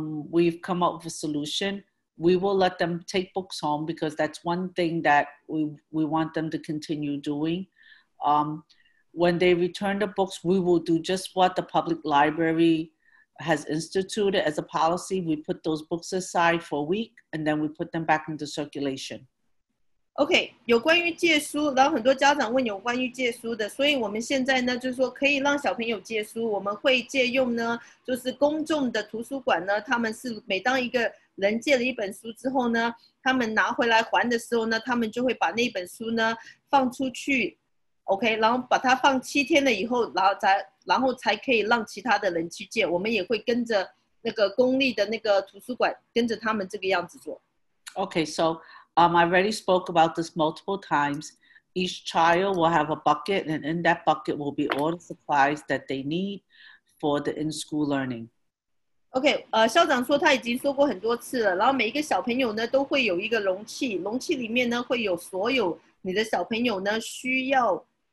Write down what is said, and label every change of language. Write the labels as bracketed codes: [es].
[en] We've come up with a solution. We will let them take books home because that's one thing that we want them to continue doing. When they return the books, we will do just what the public library has instituted as a policy. We put those books aside for a week and then we put them back into circulation. [zh] Okay, 有关于借书，然后很多家长问有关于借书的，所以我们现在呢，就是说可以让小朋友借书，我们会借用呢，就是公众的图书馆呢，他们是每当一个人借了一本书之后呢，他们拿回来还的时候呢，他们就会把那本书呢放出去。 OK， 然后把它放七天了以后，然后才可以让其他的人去借。我们也会跟着那个公立的那个图书馆，跟着他们这个样子做。OK， [en] so I already spoke about this multiple times. Each child will have a bucket, and in that bucket will be all the supplies that they need for the in-school learning. [zh] OK， 校长说他已经说过很多次了，然后每一个小朋友呢都会有一个容器，容器里面呢会有所有你的小朋友呢需要。